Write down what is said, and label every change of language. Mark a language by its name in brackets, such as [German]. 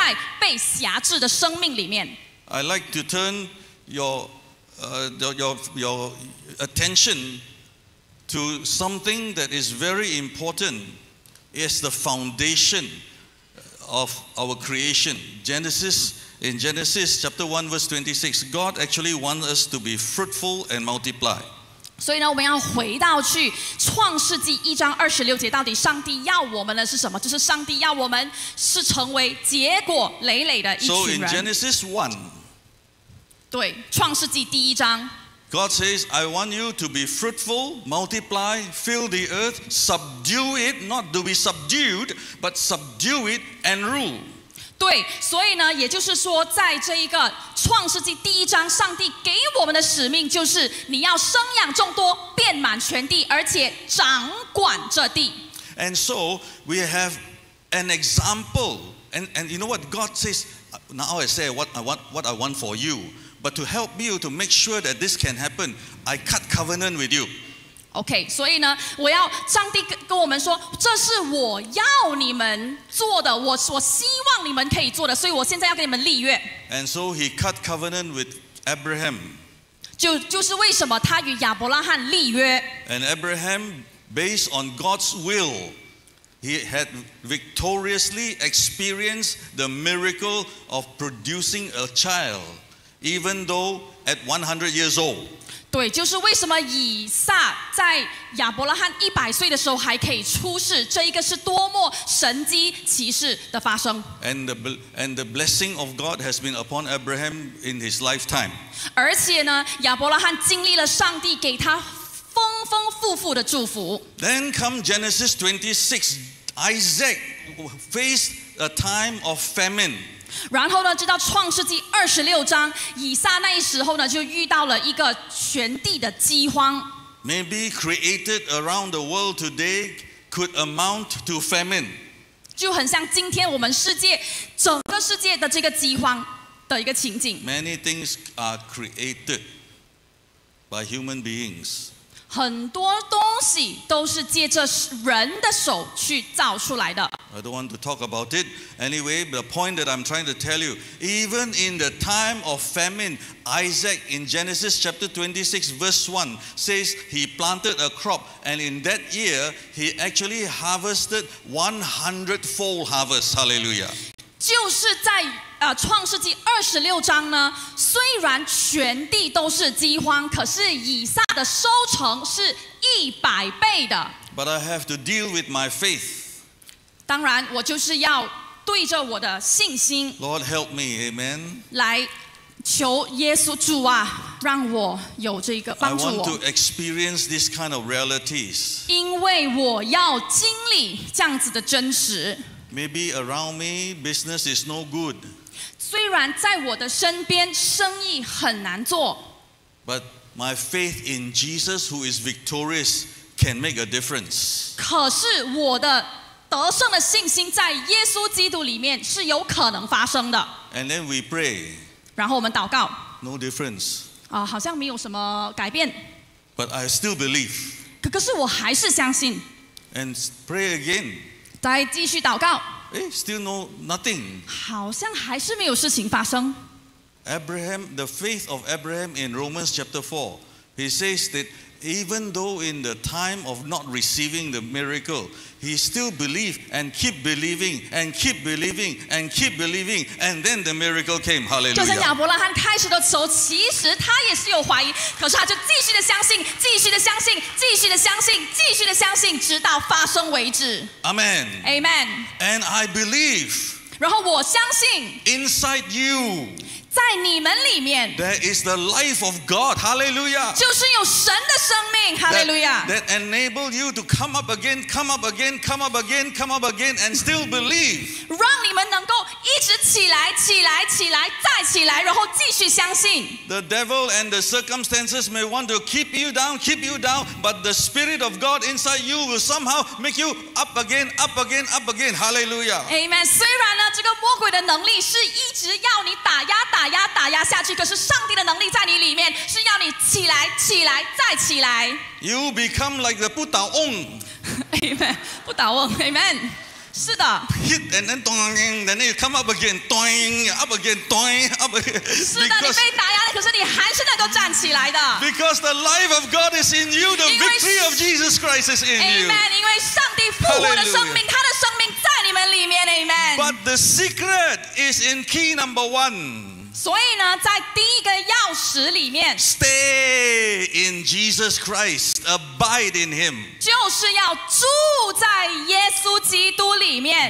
[Chinese] 所以我要怎样走在这个耶稣基督给我得胜的能力，好让我不会活在被辖制的生命里面？ [English] I'd like to turn your attention to something that is very important. It's the foundation of our creation. In Genesis chapter 1 verse 26, God actually wants us to be fruitful and multiply. [Chinese] 所以呢，我们要回到去创世纪1:26节，到底上帝要我们的是什么？就是上帝要我们是成为结果累累的一群人。 [English] So in Genesis 1, [Chinese] 对，创世纪第一章， [English] God says, I want you to be fruitful, multiply, fill the earth, subdue it, not to be subdued, but subdue it and rule. [Chinese] 对，所以呢，也就是说，在这一个创世纪第一章，上帝给我们的使命就是你要生养众多，遍满全地，而且掌管这地。 [English] And so we have an example, and you know what God says. Now I say what I want for you, but to help you to make sure that this can happen, I cut covenant with you. [Chinese] Okay, 所以呢，我要上帝跟我们说，这是我要你们做的，我希望你们可以做的，所以我现在要跟你们立约。 [English] And so he cut covenant with Abraham. [Chinese] 就是为什么他与亚伯拉罕立约。 [English] And Abraham, based on God's will, he had victoriously experienced the miracle of producing a child, even though at 100 years old. [Chinese] 对，就是为什么以撒在亚伯拉罕100岁的时候还可以出世，这一个是多么神机奇事的发生。 [English] And the blessing of God has been upon Abraham in his lifetime. [Chinese] 而且呢，亚伯拉罕经历了上帝给他丰丰富富的祝福。 [English] Then come Genesis 26, Isaac faced a time of famine. [Chinese] 然后呢，直到创世纪二十六章，以撒那时候呢，就遇到了一个全地的饥荒。 [English] Maybe created around the world today could amount to famine. [Chinese] 就很像今天我们世界整个世界的这个饥荒的一个情景。 [English] Many things are created by human beings. [Chinese] 很多东西都是借着人的手去造出来的。 [English] I don't want to talk about it. Anyway, the point that I'm trying to tell you, even in the time of famine, Isaac in Genesis chapter 26 verse 1 says he planted a crop and in that year he actually harvested 100-fold harvest. Hallelujah. [Chinese] 就是在创世纪二十六章呢，虽然全地都是饥荒，可是以撒的收成是100倍的。 [English] But I have to deal with my faith. [Chinese] 当然，我就是要对着我的信心。 [English] Lord help me, Amen. [Chinese] 来求耶稣主啊，让我有这个帮助我。 [English] I want to experience this kind of realities. [Chinese] 因为我要经历这样子的真实。 [English] Maybe around me business is no good. [Chinese] 虽然在我的身边生意很难做。 [English] But my faith in Jesus, who is victorious, can make a difference. [Chinese] 可是我的得胜的信心在耶稣基督里面是有可能发生的。 [English] And then we pray. [Chinese] 然后我们祷告。 [English] No difference. [Chinese] 好像没有什么改变。 [English] But I still believe. [Chinese] 可是我还是相信。 [English] And pray again. [Chinese] 再继续祷告。 [English] Still no nothing. [Chinese] 好像还是没有事情发生。 [English] Abraham, the faith of Abraham in Romans chapter 4, he says that even though in the time of not receiving the miracle,He still believed and keep believing and keep believing and keep believing and then the miracle came. Hallelujah. [Chinese] 就像亚伯拉罕开始的时候，其实他也是有怀疑，可是他就继续的相信，继续的相信，继续的相信，继续的相信，直到发生为止。 [English] Amen. Amen. And I believe. [Chinese] 然后我相信。 [English] Inside you. [Chinese] 在你们里面。 [English] There is the life of God. Hallelujah. [Chinese] 就是有神的生命。 [English] That enable you to come up again, come up again, come up again, come up again, and still believe. [Chinese] 让你们能够一直起来，起来，起来，再起来，然后继续相信。 [English] The devil and the circumstances may want to keep you down, keep you down, but the spirit of God inside you will somehow make you up again, up again, up again. Hallelujah. Amen. [Chinese] 虽然呢，这个魔鬼的能力是一直要你打压、打压、打压下去，可是上帝的能力在你里面是要你起来、起来、再起来。 [English] You become like the 不倒翁 [Chinese] Amen. 不倒翁 Amen. 是的 [English] Hit and then dong, and then you come up again, doing, up again, doing, up again. [Chinese] 是的，你被打压了，可是你还是能够站起来的 [English] Because the life of God is in you, the victory of Jesus Christ is in you. Amen. [Chinese] 因为上帝复活的生命，他的生命在你们里面 Amen. [English] But the secret is in key number one. [Chinese] 所以呢，在第一个钥匙里面 [English] ，Stay in Jesus Christ, abide in Him， [Chinese] 就是要住在耶稣基督里面。